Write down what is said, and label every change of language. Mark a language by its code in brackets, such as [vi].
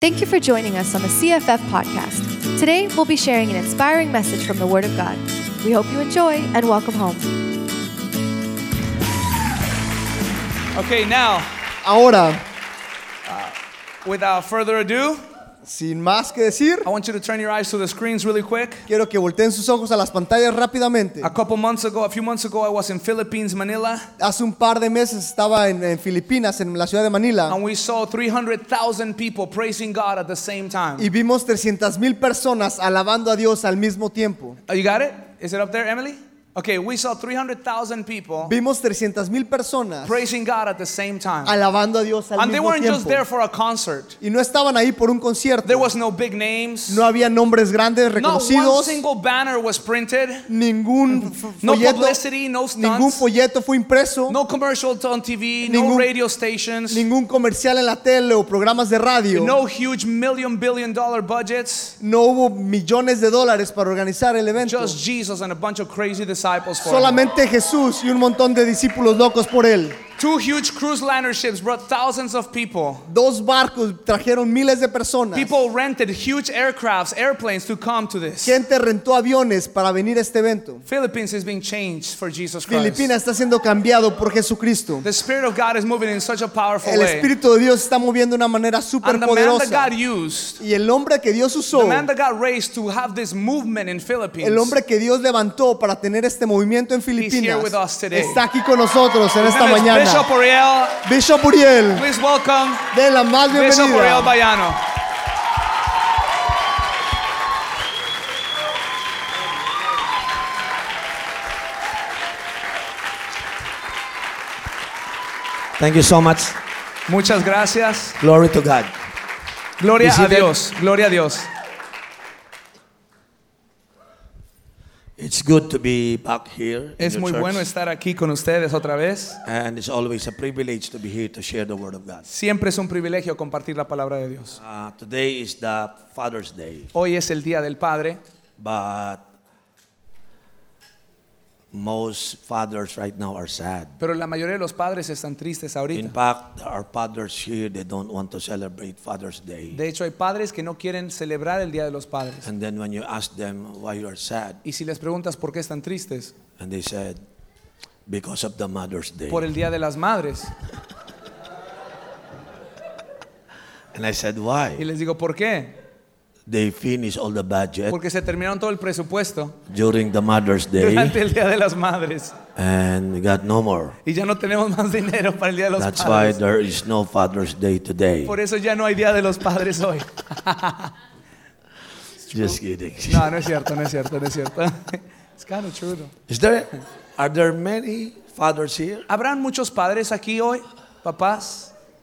[en] Thank you for joining us on the CFF podcast. Today, we'll be sharing an inspiring message from the Word of God. We hope you enjoy and welcome home. Okay, now, [es] ahora, [en] without further ado, [es] sin más que decir, [en] I want you to turn your eyes to the screens really quick. [es] Quiero que volteen sus ojos a las pantallas rápidamente. [en] A few months ago, I was in Philippines, Manila. [es] Hace un par de meses estaba en Filipinas, en la ciudad de Manila. [en] And we saw 300,000 people praising God at the same time. [es] Y vimos 300,000 personas alabando a Dios al mismo tiempo. [en] Oh, you got it? Is it up there, Emily? Okay, we saw 300,000 people. [es] Vimos 300,000 personas [en] praising God at the same time. [es] Alabando a Dios al mismo tiempo. [en] And they weren't [es] tiempo. [en] Just there for a concert. [es] Y no estaban ahí por un concierto. [en] There was no big names. [es] No había nombres grandes reconocidos. [en] Not one single banner was printed. [es] Ningún folleto, [en] no publicity, no stunts. [es] Ningún folleto fue impreso. [en] No commercials on TV, [es] ningún, [en] no radio stations. [es] Ningún comercial en la tele o programas de radio. [en] No huge million-billion-dollar budgets. [es] No hubo millones de dólares para organizar el evento. [en] Just Jesus and a bunch of crazy disciples for [es] solamente [en] him. [es] Jesús y un montón de discípulos locos por él. [en] Two huge cruise liner ships brought thousands of people. [es] Dos barcos trajeron miles de personas. [en] People rented huge aircrafts, airplanes to come to this. [es] Gente rentó aviones para venir a este evento. [en] Philippines is being changed for Jesus Christ. [es] Filipinas está siendo cambiado por Jesucristo. [en] The Spirit of God is moving in such a powerful way. [es] El Espíritu de Dios está moviendo de una manera super poderosa. [en] And the man that God used. [es] Y el hombre que Dios usó. [en] The man that God raised to have this movement in Philippines. [es] El hombre que Dios levantó para tener este movimiento en Filipinas. [en] He's here with us today. [es] Está aquí con nosotros en esta mañana. [en] Bishop Uriel. [es] Bishop Uriel. [en] Please welcome. [es] De la más bienvenida. [en] Bishop Uriel Bayano. Thank you so much. [es] Muchas gracias. [en] Glory to God. [es] Gloria a Dios. Gloria a Dios. [en] It's good to be back here. [es] Es muy bueno estar aquí con ustedes otra vez. [en] And it's always a privilege to be here to share the word of God. [es] Siempre es un privilegio compartir la palabra de Dios. [en] Today is the Father's Day. [es] Hoy es el día del padre. [en] But most fathers right now are sad. [es] Pero la mayoría de los padres están tristes ahorita. [en] In fact, our fathers here, they don't want to celebrate Father's Day. [es] De hecho, hay padres que no quieren celebrar el Día de los Padres. [en] And then when you ask them why you are sad, [es] y si les preguntas por qué están tristes, [en] and they said, because of the Mother's Day. [es] Por el Día de las Madres. [en] And I said, why? [es] Y les digo, ¿por qué? [en] They finish all the budget. [es] Porque se terminaron todo el presupuesto. [en] During the Mother's Day. [es] Durante el Día de las Madres. [en] And we got no more. [es] Y ya no tenemos más dinero para el Día de los [en] That's [es] Padres. [en] That's why there is no Father's Day today. [es] Por eso ya no hay Día de los Padres hoy. [en] Just kidding. [es] No, no es cierto, no es cierto, no es cierto. [en] It's kind of true. Is there? Are there many fathers here? [es] ¿Habrán muchos padres aquí hoy, papás?